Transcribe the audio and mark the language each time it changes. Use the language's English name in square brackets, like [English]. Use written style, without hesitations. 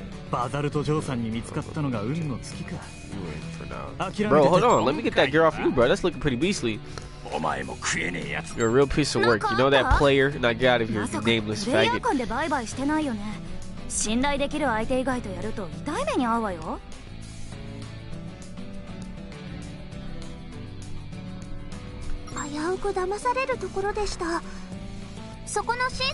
[Japanese] バザルト・ジョーさんに見つかったのが運の尽きか。 [English] Bro, hold on. Let me get that gear off you, bro. That's looking pretty beastly. You're a real piece of work. You know that player? Now get out of here, you nameless faggot. [Japanese] 恋愛感で売買してないよね。信頼できる相手以外とやると痛い目に遭うわよ。危うく騙されるところでした。そこのシー